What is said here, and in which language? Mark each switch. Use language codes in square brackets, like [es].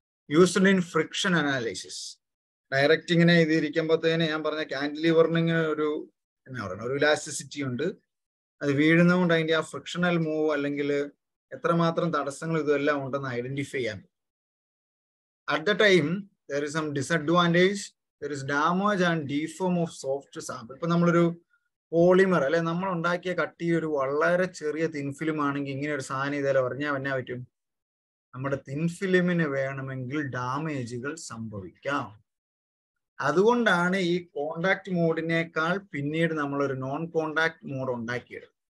[en] used in friction analysis, [ml] direct ഇങ്ങനെ ഇത് ഇരിക്കുമ്പോഴത്തേനെ ഞാൻ പറഞ്ഞ കാന്റിലിവറിന് ഒരു എന്നാ പറയുന്നത് ഒരു ഇലാസ്റ്റിസിറ്റി ഉണ്ട്. അത് വീഴുന്നതുകൊണ്ട് അതിൻ്റെ ആ ഫ്രിക്ഷണൽ മൂവ് അല്ലെങ്കിൽ എത്രമാത്രം തടസ്സങ്ങൾ ഇതെല്ലാം ഉണ്ടെന്ന് ഐഡന്റിഫൈ ചെയ്യാൻ. [en] At the time there is some disadvantage, there is damage and deform of soft sample. [ml] ഇപ്പോ നമ്മൾ ഒരു പോളിമർ അല്ലെ നമ്മൾ ഉണ്ടാക്കിയ കട്ടി ഒരു വളരെ ചെറിയ തിൻ ഫിലിം ആണെങ്കിൽ ഇങ്ങനെ ഒരു സാധനം ഇതേ ഉറഞ്ഞാൽ വന്നാ പറ്റും നമ്മുടെ തിൻ ഫിലിമിന് വേണമെങ്കിൽ ഡാമേജുകൾ സംഭവിക്കാം. അതുകൊണ്ടാണ് ഈ കോണ്ടാക്ട് മോഡിനേക്കാൾ പിന്നീട് നമ്മൾ ഒരു നോൺ കോണ്ടാക്ട് മോഡ് ഉണ്ടാക്കിയത്.